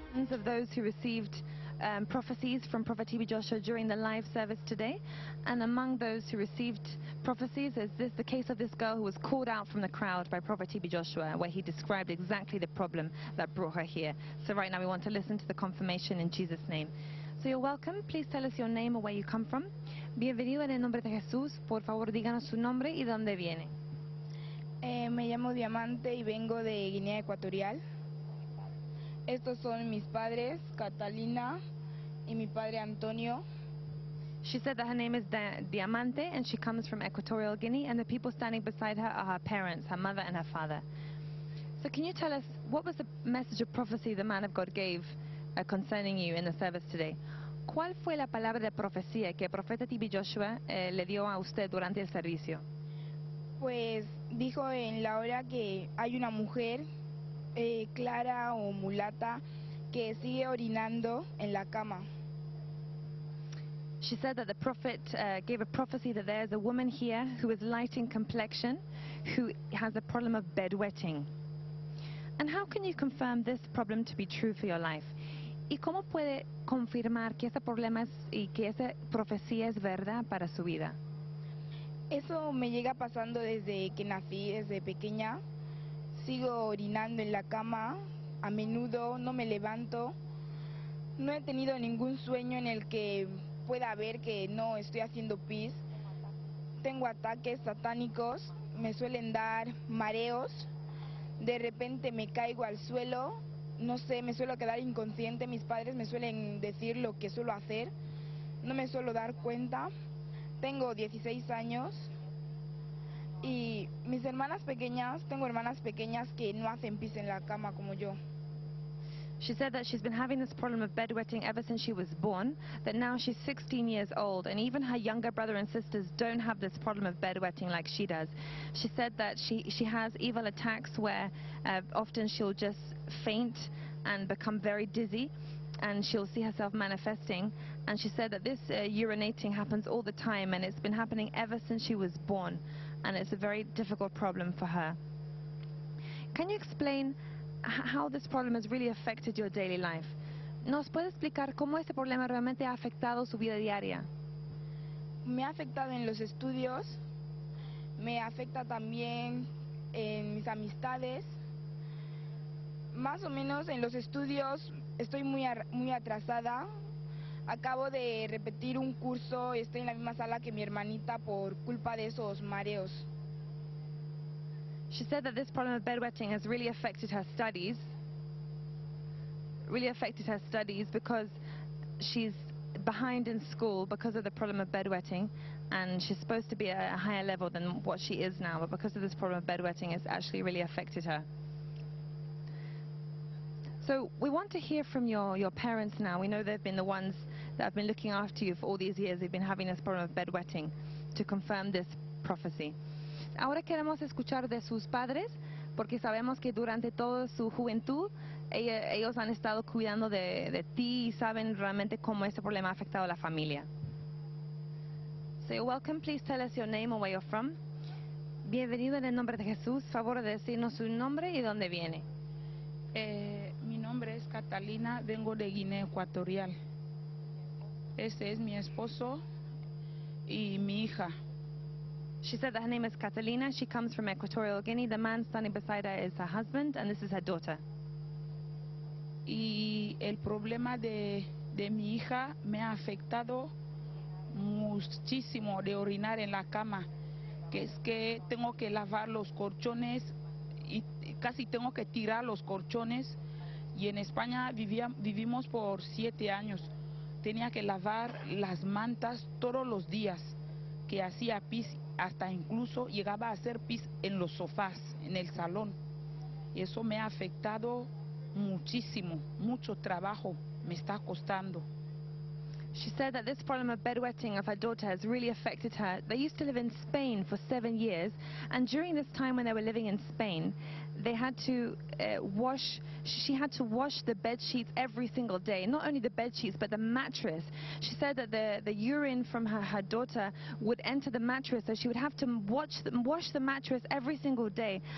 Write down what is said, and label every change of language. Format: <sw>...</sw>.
<en>Of those who received prophecies from Prophet Hebe Joshua during the live service today, and among those who received prophecies is this the case of this girl who was called out from the crowd by Prophet Hebe Joshua, where he described exactly the problem that brought her here. So right now we want to listen to the confirmation in Jesus' name. So you're welcome. Please tell us your name or where you come from,</en> <es>Bienvenido en el nombre de Jesús. Por favor, díganos su nombre y dónde viene. Me llamo Diamante y vengo de Guinea Ecuatorial. Estos son mis padres, Catalina y mi padre Antonio.</es> <en>She said that her name is Diamante and she comes from Equatorial Guinea, and the people standing beside her are her parents, her mother and her father. So can you tell us, what was the message of prophecy the man of God gave concerning you in the service today?</en> <es>¿Cuál fue la palabra de profecía que el profeta T.B. Joshua le dio a usted durante el servicio? Pues dijo en la hora que hay una mujer, clara o mulata, que sigue orinando en la cama.</es> <en>She said that the prophet gave a prophecy that there is a woman here who is light in complexion, who has a problem of bedwetting. And how can you confirm this problem to be true for your life?</en> <es>¿Y cómo puede confirmar que ese problema es, y que esa profecía es verdad para su vida? Eso me llega pasando desde que nací, desde pequeña. Sigo orinando en la cama, a menudo no me levanto. No he tenido ningún sueño en el que pueda ver que no estoy haciendo pis. Tengo ataques satánicos, me suelen dar mareos. De repente me caigo al suelo, no sé, me suelo quedar inconsciente. Mis padres me suelen decir lo que suelo hacer, no me suelo dar cuenta. Tengo 16 años y mis hermanas pequeñas, tengo hermanas pequeñas que no hacen pis en la cama como yo.</es> <en>She said that she's been having this problem of bedwetting ever since she was born, that now she's 16 years old, and even her younger brother and sisters don't have this problem of bedwetting like she does. She said that she has evil attacks where often she'll just faint and become very dizzy, and she'll see herself manifesting. And she said that this urinating happens all the time, and it's been happening ever since she was born, and it's a very difficult problem for her. Can you explain how this problem has really affected your daily life?</en> <es>¿Nos puede explicar cómo ese problema realmente ha afectado su vida diaria? Me ha afectado en los estudios, me afecta también en mis amistades. Más o menos en los estudios estoy muy atrasada. Acabo de repetir un curso y estoy en la misma sala que mi hermanita por culpa de esos mareos.</es> <en>She said that this problem of bedwetting has really affected her studies. Really affected her studies because she's behind in school because of the problem of bedwetting, and she's supposed to be at a higher level than what she is now, but because of this problem of bedwetting, it's actually really affected her. So we want to hear from your parents now. We know they've been the ones that have been looking after you for all these years. They've been having this problem of bedwetting to confirm this prophecy.</en> <es>Ahora queremos escuchar de sus padres, porque sabemos que durante toda su juventud ellos han estado cuidando de ti y saben realmente cómo este problema ha afectado a la familia.</es> <en>So you're welcome, please tell us your name and where you're from.</en> <es>Bienvenido en el nombre de Jesús. Favor de decirnos su nombre y dónde viene. Mi nombre es Catalina, vengo de Guinea Ecuatorial. Este es mi esposo y mi hija.</es> <en>She said that her name is Catalina. She comes from Equatorial Guinea. The man standing beside her is her husband, and this is her daughter.</en> <es>Y el problema de mi hija me ha afectado muchísimo de orinar en la cama, que es que tengo que lavar los colchones y casi tengo que tirar los colchones. Y en España vivimos por 7 años. Tenía que lavar las mantas todos los días que hacía pis. Hasta incluso llegaba a hacer pis en los sofás, en el salón. Y eso me ha afectado muchísimo, mucho trabajo me está costando.</es> <en>She said that this problem of bedwetting of her daughter has really affected her. They used to live in Spain for 7 years, and during this time when they were living in Spain, they had to wash the bed sheets every single day. Not only the bed sheets, but the mattress. She said that the urine from her daughter would enter the mattress, so she would have to wash the mattress every single day.</en>